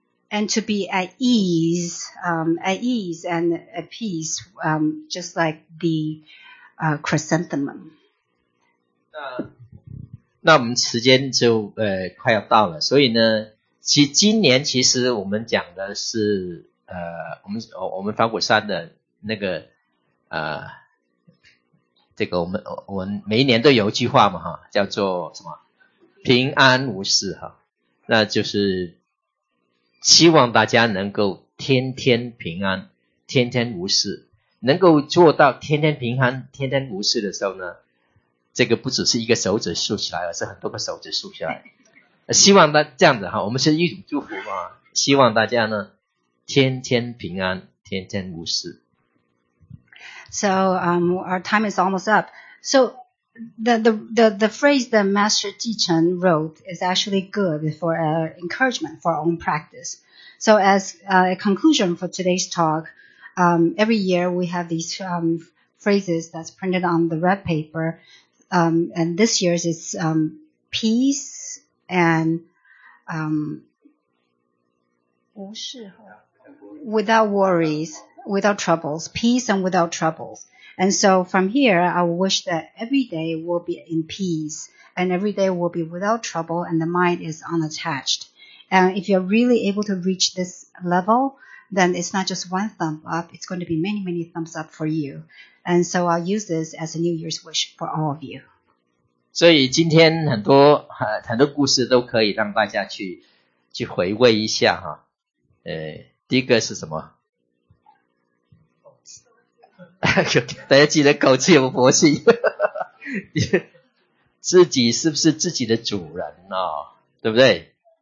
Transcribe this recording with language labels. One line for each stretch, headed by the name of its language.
English: And to be at ease and at peace, just like the chrysanthemum.
Chinese: 那我们时间就快要到了，所以呢其实今年其实我们讲的是我们法鼓山的那个啊、这个我们每一年都有一句话嘛哈，叫做什么平安无事哈，那就是希望大家能够天天平安，天天无事。能够做到天天平安，天天无事的时候呢，这个不只是一个手指竖起来，而是很多个手指竖起来。希望大家这样子哈，我们是一种祝福嘛，希望大家呢天天平安，天天无事。
English: So, our time is almost up. So, the phrase that Master Ji Chen wrote is actually good for encouragement for our own practice. So, as a conclusion for today's talk, every year we have these phrases that's printed on the red paper, and this year's is peace and 无事, without worries. Without troubles, peace and without troubles. And so from here, I wish that every day will be in peace and every day will be without trouble and the mind is unattached. And if you're really able to reach this level, then it's not just one thumb up, it's going to be many, many thumbs up for you. And so I'll use this as a New Year's wish for all of you.
Chinese: 所以今天很多故事都可以让大家去回味一下哈。第一个是什么？大家记得口气有佛性，自己是不是自己的主人啊、哦？对不对？